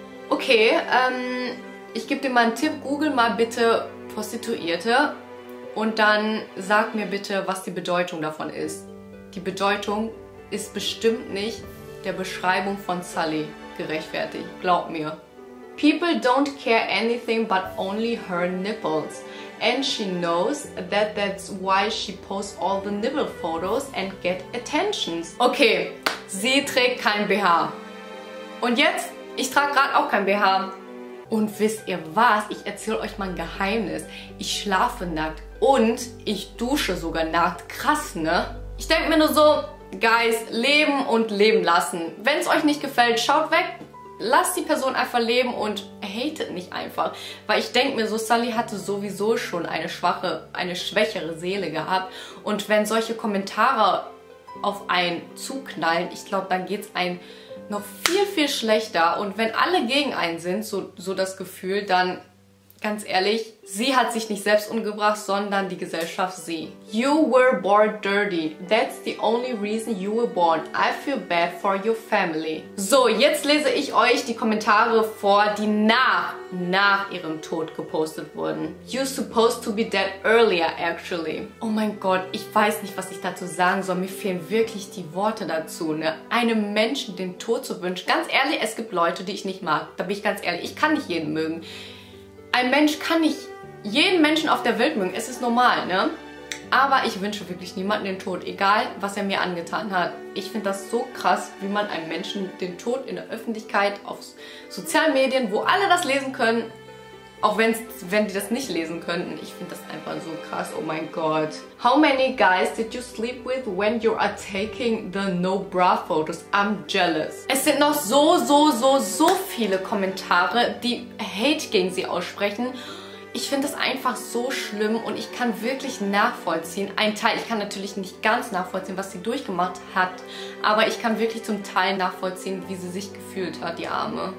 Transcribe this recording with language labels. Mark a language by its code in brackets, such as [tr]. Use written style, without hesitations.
[de] Okay, ich gebe dir mal einen Tipp. Google mal bitte Prostituierte und dann sag mir bitte, was die Bedeutung davon ist. Die Bedeutung ist bestimmt nicht der Beschreibung von Sully gerechtfertigt. Glaub mir. [en] People don't care anything but only her nipples. And she knows that that's why she posts all the nibble photos and get attentions. [de] Okay, sie trägt kein BH. Und jetzt? Ich trage gerade auch kein BH. Und wisst ihr was? Ich erzähle euch mal ein Geheimnis. Ich schlafe nackt und ich dusche sogar nackt. Krass, ne? Ich denke mir nur so, Guys, leben und leben lassen. Wenn es euch nicht gefällt, schaut weg. Lasst die Person einfach leben und hatet nicht einfach. Weil ich denke mir so, Sully hatte sowieso schon eine schwächere Seele gehabt. Und wenn solche Kommentare auf einen zuknallen, ich glaube, dann geht es einem noch viel, viel schlechter. Und wenn alle gegen einen sind, so das Gefühl, dann ganz ehrlich, sie hat sich nicht selbst umgebracht, sondern die Gesellschaft sie. [en] You were born dirty. That's the only reason you were born. I feel bad for your family. [de] So, jetzt lese ich euch die Kommentare vor, die nach ihrem Tod gepostet wurden. [en] You're supposed to be dead earlier, actually. [de] Oh mein Gott, ich weiß nicht, was ich dazu sagen soll. Mir fehlen wirklich die Worte dazu, ne? Einem Menschen den Tod zu wünschen. Ganz ehrlich, es gibt Leute, die ich nicht mag. Da bin ich ganz ehrlich, ich kann nicht jeden mögen. Ein Mensch kann nicht jeden Menschen auf der Welt mögen, es ist normal, ne? Aber ich wünsche wirklich niemandem den Tod, egal was er mir angetan hat. Ich finde das so krass, wie man einem Menschen den Tod in der Öffentlichkeit, auf sozialen Medien, wo alle das lesen können, auch wenn die das nicht lesen könnten, ich finde das einfach so krass, oh mein Gott. [en] How many guys did you sleep with when you are taking the no bra photos? I'm jealous. [de] Es sind noch so viele Kommentare, die Hate gegen sie aussprechen. Ich finde das einfach so schlimm und ich kann wirklich nachvollziehen, ein Teil, ich kann natürlich nicht ganz nachvollziehen, was sie durchgemacht hat, aber ich kann wirklich zum Teil nachvollziehen, wie sie sich gefühlt hat, die Arme.